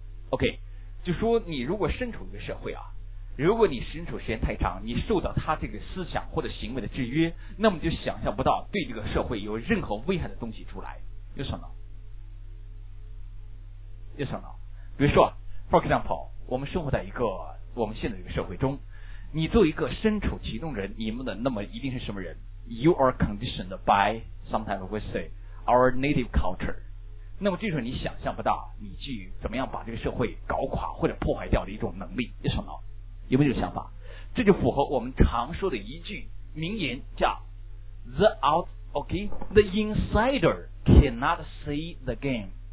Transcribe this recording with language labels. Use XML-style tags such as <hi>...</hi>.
<zh>OK， 就说你如果身处一个社会啊，如果你身处时间太长，你受到他这个思想或者行为的制约，那么就想象不到对这个社会有任何危害的东西出来。有什么？有什么？比如说</zh> <en>for example，</en> <zh>我们生活在一个我们现在一个社会中，你作为一个身处其中人，你们的那么一定是什么人？</zh> <en>You are conditioned by sometimes we say our native culture。</en> <zh>那么这时候你想象不到你去怎么样把这个社会搞垮或者破坏掉的一种能力。有什么？有没有想法？这就符合我们常说的一句名言，叫</zh> <en>"The out, OK, the insider cannot see the game."</en>